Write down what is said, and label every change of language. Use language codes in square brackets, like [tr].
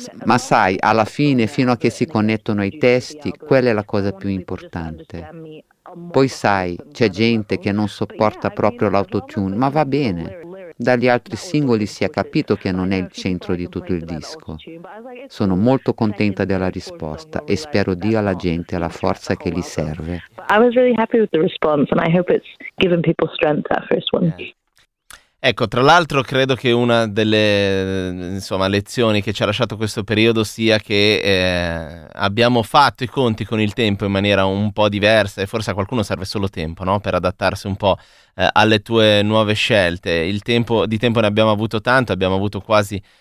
[it] Ma sai, alla fine, fino a che si connettono ai testi, quella è la cosa più importante. Poi sai, c'è gente che non sopporta proprio l'autotune, ma va bene. Dagli altri singoli si è capito che non è il centro di tutto il disco. Sono molto contenta della risposta e spero dia alla gente la forza che gli serve. [en] I was really happy with the response and I hope it's given people strength, that first one. [it] Ecco, tra l'altro credo che una delle insomma lezioni che ci ha lasciato questo periodo sia che abbiamo fatto i conti con il tempo in maniera un po' diversa e forse a qualcuno serve solo tempo, no? Per adattarsi un po' alle tue nuove scelte. Il tempo, di tempo ne abbiamo avuto tanto, abbiamo avuto quasi